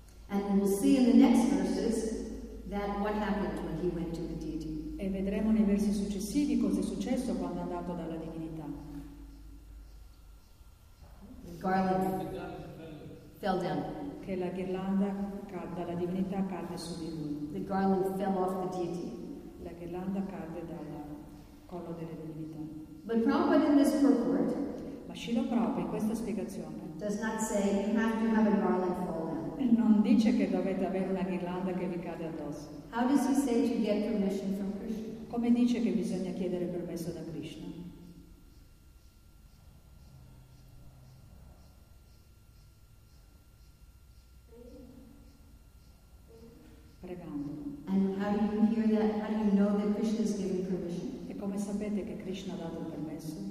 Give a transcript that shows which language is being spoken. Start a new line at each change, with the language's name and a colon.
English: And we'll see in the next verses that what happened when he went to the deity.
Italian: E vedremo nei versi successivi cosa è successo quando è andato dalla divinità.
English: The garland fell down.
Italian: Che la ghirlanda dalla divinità cadde su di lui.
English: The garland fell off the deity.
Italian: La ghirlanda cadde dal collo della divinità.
English: But Prabhupada in this purport,
Italian: Ma Srila Prabhupada in questa spiegazione
English: does not say you have to have a garland fallen.
Italian: Non dice che dovete avere una ghirlanda che vi cade addosso.
English: How does he say to get permission from Krishna?
Italian: Come dice che bisogna chiedere permesso da Krishna? Pregando.
English: And how do you hear that? How do you know that Krishna is giving permission?
Italian: E come sapete che Krishna ha dato il permesso?